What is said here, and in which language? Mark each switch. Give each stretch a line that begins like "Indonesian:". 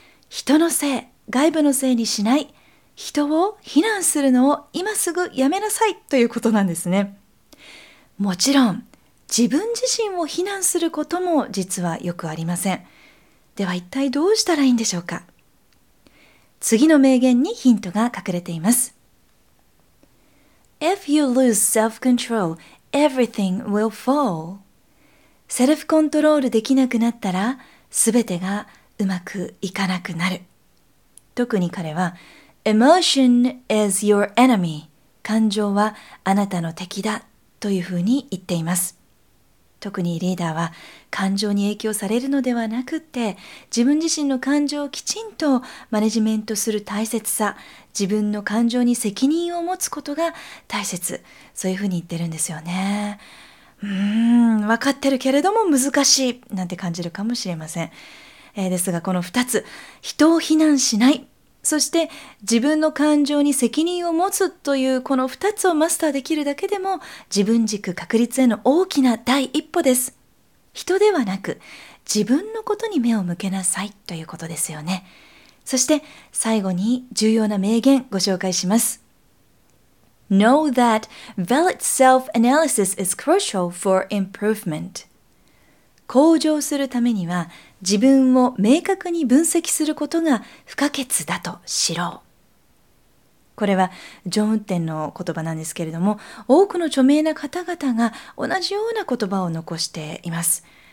Japanese: 人のせい、外部のせいにしない、人を非難するのを今すぐやめなさいということなんですね。もちろん自分自身を非難することも実はよくありません。では一体どうしたらいいんでしょうか。次の名言にヒントが隠れています。
English: If you lose self-control, everything will fall.
Japanese: セルフコントロールできなくなったら全てがうまくいかなくなる。特に彼は
English: Emotion is your enemy.
Japanese: 感情はあなたの敵だというふうに言っています。特にリーダーは感情に影響されるのではなくって、自分自身の感情をきちんとマネジメントする大切さ、自分の感情に責任を持つことが大切、そういうふうに言ってるんですよね。分かってるけれども難しいなんて感じるかもしれません、ですがこの2つ、人を非難しない、そして自分の感情に責任を持つというこの2つをマスターできるだけでも自分軸確立への大きな第一歩です。人ではなく自分のことに目を向けなさいということですよね。そして最後に重要な名言ご紹介します。
English: Know that valid self-analysis is crucial for improvement.
Japanese: 向上するためには自分を明確に分析することが不可欠だと知ろう。これはジョン・ウッデンの言葉なんですけれども、多くの著名な方々が同じような言葉を残しています。